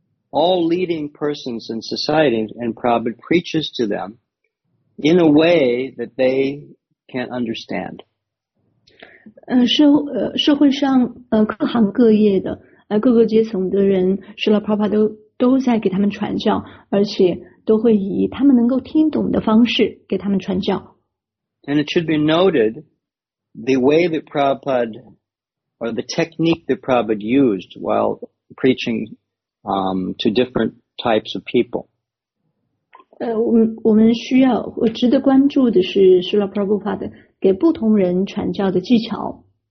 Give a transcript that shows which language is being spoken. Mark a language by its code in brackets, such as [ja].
[en] All leading persons in society, and Prabhupada preaches to them in a way that they can't understand. [zh] 社会上各行各业的各个阶层的人，是了 Prabhupada 都在给他们传教，而且都会以他们能够听懂的方式给他们传教。 [en] And it should be noted the way that Prabhupada or the technique that Prabhupada used while preaching to different types of people. [zh] 我们需要，我值得关注的是Srila Prabhupada 的给不同人传教的技巧。